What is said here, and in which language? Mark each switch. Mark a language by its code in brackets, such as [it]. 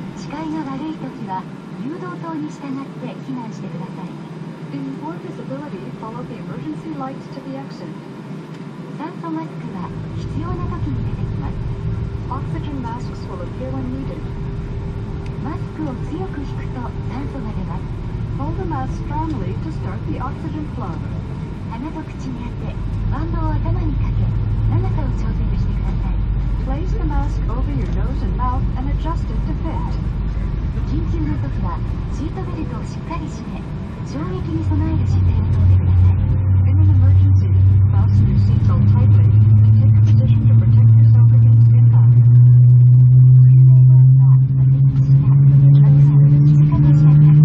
[ja] 態が悪いときは誘導灯に従って避難してください。 [en] In poor visibility, follow the emergency lights to the exit. [ja] 酸素マスクは必要なときに出てきます。 [en] Oxygen masks will appear when needed. [ja] マスクを強く引くと酸素が出ます。 [en] Hold the mask strongly to start the oxygen flow. [ja] 鼻と口に当て、バンドを頭にかけ、長さを調節してください。 [en] Place the mask over your nose and mouth and adjust it to fit. [ja] 緊急のときはシートベルトをしっかり締め、衝撃に備える姿勢をとってください。 [en] In an emergency, fasten your seatbelt tightly and take a position to protect yourself against impact.